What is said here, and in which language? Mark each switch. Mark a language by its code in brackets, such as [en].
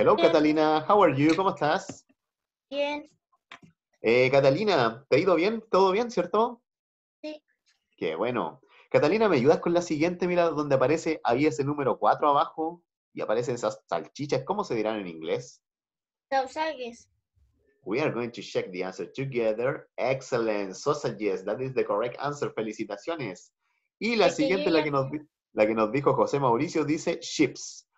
[en] Hello, Catalina. How are you? [es] ¿Cómo estás? Bien. Catalina, ¿te ha ido bien? ¿Todo bien, cierto? Sí. Qué bueno. Catalina, ¿me ayudas con la siguiente? Mira donde aparece ahí ese número 4 abajo y aparecen esas salchichas. ¿Cómo se dirán en inglés? [en] Sausages. We are going to check the answer together. Excellent. Sausages. That is the correct answer. [es] Felicitaciones. Y la siguiente, la que nos dijo José Mauricio, dice chips.